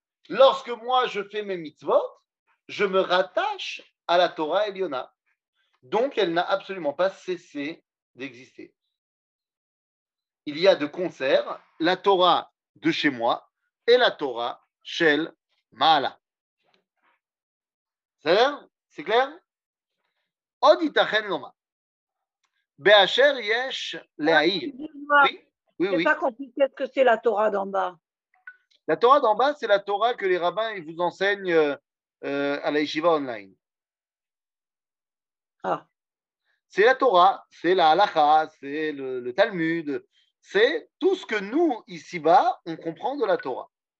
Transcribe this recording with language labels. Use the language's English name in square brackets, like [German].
[French] Lorsque moi je fais mes mitzvot, je me rattache à la Torah עליונה. Donc elle n'a absolument pas cessé d'exister. Il y a de concert la Torah de chez moi et la Torah [Hebrew] של מעלה. [French] C'est clair? [Hebrew] עוד ייתכן לומר, באשר יש להעיר. [French] C'est pas compliqué ce que c'est la Torah d'en bas. La Torah d'en bas, c'est la Torah que les rabbins ils vous enseignent à la Yeshiva online. Ah. C'est la Torah, c'est la Halakha, c'est le Talmud, c'est tout ce que nous, ici-bas, on comprend de la Torah.